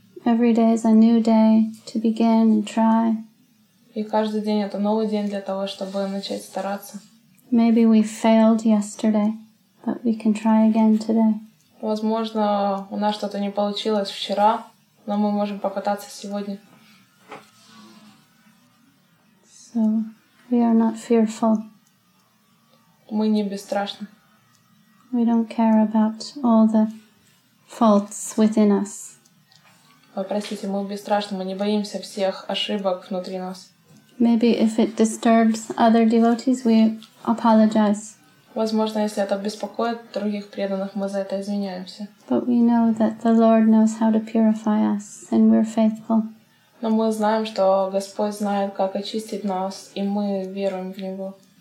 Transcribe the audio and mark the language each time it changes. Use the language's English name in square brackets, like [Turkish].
[English] Every day is a new day to begin and try. [Russian] И каждый день это новый день для того, чтобы начать стараться. [English] Maybe we failed yesterday, but we can try again today. [Russian] Возможно, у нас что-то не получилось вчера. Но мы можем попытаться сегодня. [English] So we are not fearful. [Russian] Мы не бесстрашны. [English] We don't care about all the faults within us. [Russian] Простите, мы бесстрашны, мы не боимся всех ошибок внутри нас. [English] Maybe if it disturbs other devotees, we apologize. [Russian] Возможно, если это беспокоит других преданных, мы за это извиняемся. [English] But we know that the Lord knows how to purify us, and we're faithful. [Russian] Но мы знаем, что Господь знает, как очистить нас, и мы веруем в Него.